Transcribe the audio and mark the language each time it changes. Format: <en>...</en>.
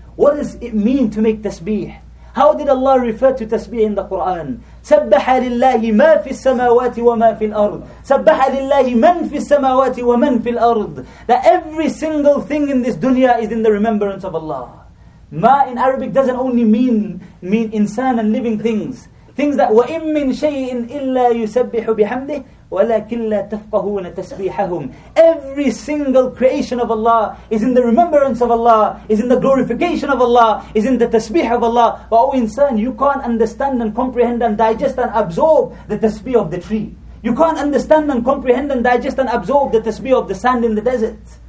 <en>What does it mean to make tasbih? How did Allah refer to tasbih in the Quran?</en> <ar>سَبَّحَ لِلَّهِ مَا فِي السَّمَاوَاتِ وَمَا فِي الْأَرْضِ سَبَّحَ لِلَّهِ مَنْ فِي السَّمَاوَاتِ وَمَنْ فِي الْأَرْضِ.</ar> <en>That every single thing in this dunya is in the remembrance of Allah. Ma in Arabic doesn't only mean insan and living things. Things that</en> <ar>وَإِن مِّن شَيْءٍ إِلَّا يُسَبِّحُ بِحَمْدِهِ وَلَكِنْ لَا تَفْقَهُونَ تَسْبِيحَهُمْ.</ar> <en>Every single creation of Allah is in the remembrance of Allah, is in the glorification of Allah, is in the tasbih of Allah. But oh insan, you can't understand and comprehend and digest and absorb the tasbih of the tree. You can't understand and comprehend and digest and absorb the tasbih of the sand in the desert.</en>